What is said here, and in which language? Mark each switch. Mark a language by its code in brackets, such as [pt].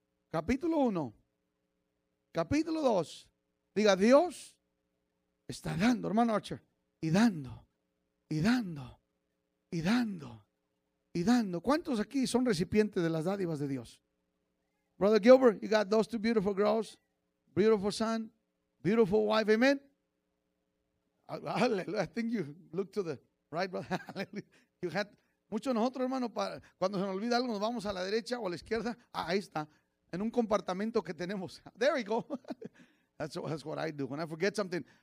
[es] Capítulo 1. Capítulo 2. Diga, Dios está dando, hermano Archer. Y dando, y dando, y dando, y dando. ¿Cuántos aquí son recipientes de las dádivas de Dios? [en] Brother Gilbert, you got those two beautiful girls, beautiful son, beautiful wife, amen. I think you look to the right, brother. You had, [es] muchos de nosotros, hermano, para, cuando se nos olvida algo, nos vamos a la derecha o a la izquierda. Ah, ahí está, en un compartimento que tenemos. [en] There we go. That's what I do when I forget something.